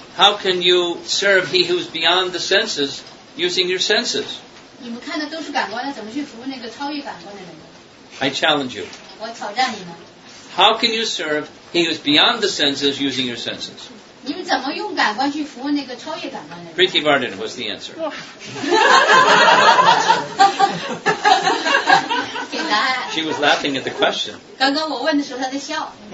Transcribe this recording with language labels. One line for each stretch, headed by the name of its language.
English: How can you serve he who's beyond the senses using your senses?
Chinese: 你们看的都是感官的，怎么去服务那个超越感官的人呢
English: ？I challenge you.
Chinese: 我挑战你们。
English: How can you serve he who's beyond the senses using your senses?
Chinese: 你们怎么用感官去服务那个超越感官的人
English: ？Priti Vardhan was the answer.
Chinese: 给答案。
English: She was laughing at the question.
Chinese: 刚刚我问的时候，她在笑。